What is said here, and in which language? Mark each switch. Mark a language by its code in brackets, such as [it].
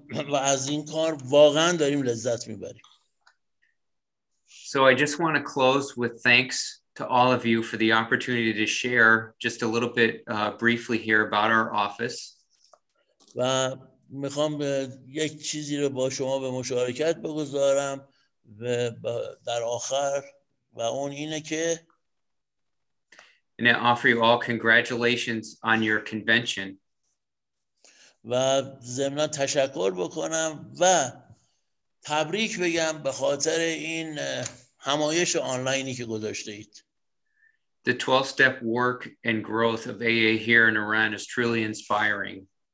[fa] و از این کار واقعا داریم لذت میبریم. [en] So I just want to close with thanks to all of you for the opportunity to share just a little bit briefly here about our office. [fa] و میخوام یک چیزی رو با شما به مشارکت بگذارم و در آخر و اون اینه که [en] And I offer you all congratulations on your convention. [fa] و ضمن تشکر بکنم و تبریک بگم به خاطر این همایش آنلاینی که گذاشته اید. [en] The 12-step work and growth of AA here in Iran is truly inspiring.